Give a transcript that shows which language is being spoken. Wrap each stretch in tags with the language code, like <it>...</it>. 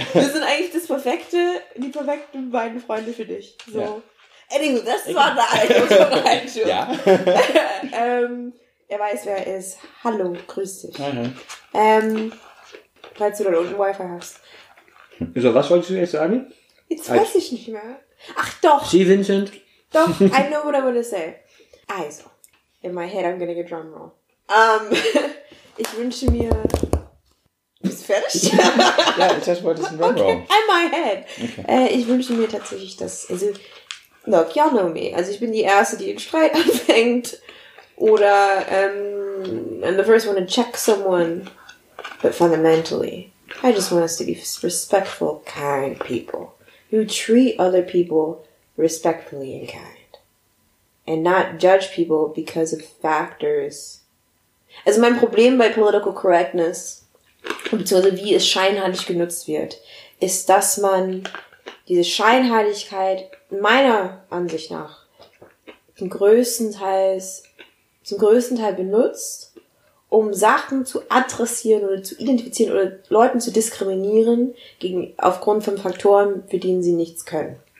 <de>Wir sind eigentlich das perfekte, die perfekten beiden Freunde für dich. So. Ja. Anyway, das war der Einschub. Ja. Er weiß, wer er ist. Hallo, grüß dich. Hi, hi. Falls du da unten Wi-Fi hast. So, was wolltest du jetzt sagen? Jetzt weiß ich nicht mehr. Ach doch. Sie, Vincent.</de> <en>Doch, I know what I want to say. Also, in my head I'm gonna get drum roll.</en> <de>ich wünsche mir... Bist du fertig? Ja, ich dachte, wollte ich einen drum roll.</de> <en>Okay, in my head. Okay.</en> <de>Ich wünsche mir tatsächlich, dass... Also,</de> <en>look, y'all know me.</en> <de>Also, ich bin die Erste, die den Streit anfängt.</de> <en>Oder, I'm the first one to check someone. But fundamentally, I just want us to be respectful, kind people. Who treat other people respectfully and kind. And not judge people because of factors.</en> <de>Also mein Problem bei political correctness, beziehungsweise wie es scheinheilig genutzt wird, ist, dass man diese Scheinheiligkeit meiner Ansicht nach zum größten Teil benutzt, um Sachen zu adressieren oder zu identifizieren oder Leuten zu diskriminieren aufgrund von Faktoren, für denen sie nichts können.</de>